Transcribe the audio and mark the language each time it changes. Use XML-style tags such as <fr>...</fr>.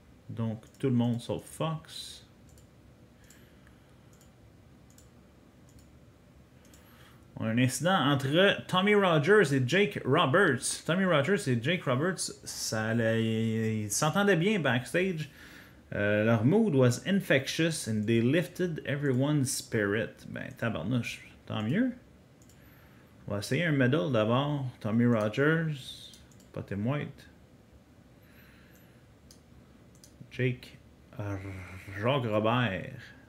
<fr>Donc, tout le monde sauf Fox. On a un incident entre Tommy Rogers et Jake Roberts. Tommy Rogers et Jake Roberts, ça allait, ils s'entendaient bien backstage.</fr> <en>Leur mood was infectious and they lifted everyone's spirit.</en> <fr>Ben, tabarnouche, tant mieux. On va essayer un medal d'abord. Tommy Rogers. Pas Tim White. Jake Jacques Robert.</fr>